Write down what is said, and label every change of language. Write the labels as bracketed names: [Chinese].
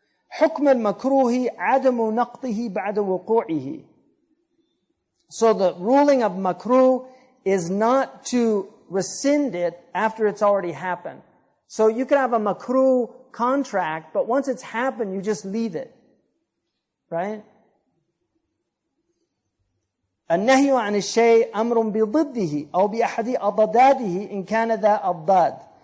[Arabic] حكم المكروه عدم نقضه بعد وقوعه. [English] So the ruling of makruh is not to rescind it after it's already happened. So you can have a makruh contract, but once it's happened, you just leave it. Right? [Arabic] النهي عن الشيء أمر بضده أو بأحد أضداده إن كان ذا أضداد.